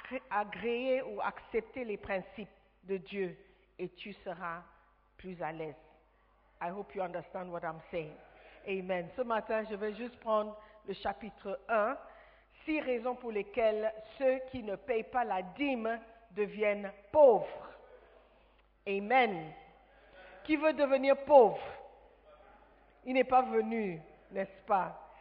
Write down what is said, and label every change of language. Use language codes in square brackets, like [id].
[fr] Agréer ou accepter les principes de Dieu et tu seras plus à l'aise. [en] I hope you understand what I'm saying. Amen. [fr] Ce matin, je vais juste prendre le chapitre 1. 6 raisons pour lesquelles ceux qui ne payent pas la dîme deviennent pauvres. Amen. Qui veut devenir pauvre? Il n'est pas venu, n'est-ce pas?